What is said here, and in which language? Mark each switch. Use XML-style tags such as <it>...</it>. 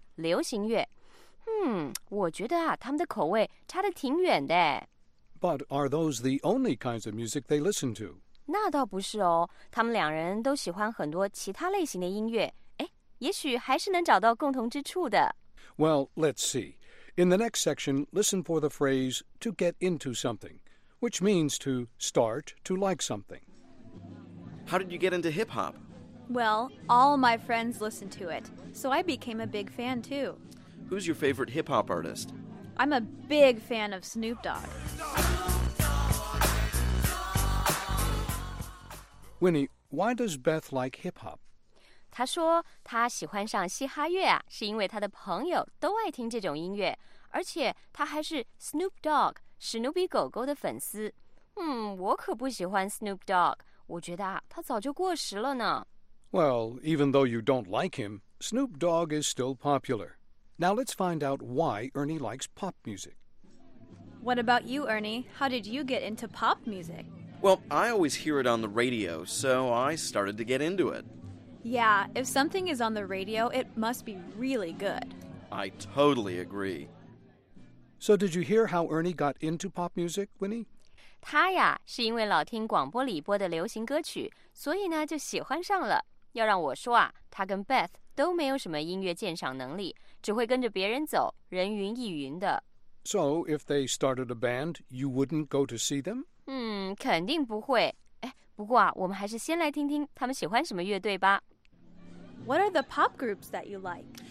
<zh>流行乐，我觉得啊，他们的口味差得挺远的。</zh> <en>But are those the only kinds of music they listen to?</en> <zh>那倒不是哦，他们两人都喜欢很多其他类型的音乐。哎，也许还是能找到共同之处的。</zh> <en>Well, let's see. In the next section, listen for the phrase to get into something, which means to start to like something. How did you get into hip-hop? Well, all my friends listen to it, so I became a big fan, too. Who's your favorite hip-hop artist? I'm a big fan of Snoop Dogg. Winnie, why does Beth like hip-hop?</en> <zh>他说他喜欢上嘻哈乐啊，是因为他的朋友都爱听这种音乐，而且他还是 Snoop Dogg 史努比狗狗的粉丝。我可不喜欢 Snoop Dogg， 我觉得啊，他早就过时了呢。</zh> <en>Well, even though you don't like him, Snoop Dogg is still popular. Now let's find out why Ernie likes pop music. What about you, Ernie? How did you get into pop music? Well, I always hear it on the radio, so I started to get into it. Yeah, if something is on the radio, it must be really good. I totally agree. So did you hear how Ernie got into pop music, Winnie?</en> <zh>他呀，是因为老听广播里播的流行歌曲，所以呢就喜欢上了。要让我说啊，他跟 Beth 都没有什么音乐鉴赏能力，只会跟着别人走，人云亦云的。</zh> <en>So if they started a band, you wouldn't go to see them?</en> <zh>肯定不会。不过啊，我们还是先来听听他们喜欢什么乐队吧。</zh> <en>What are the pop groups that you like?</en>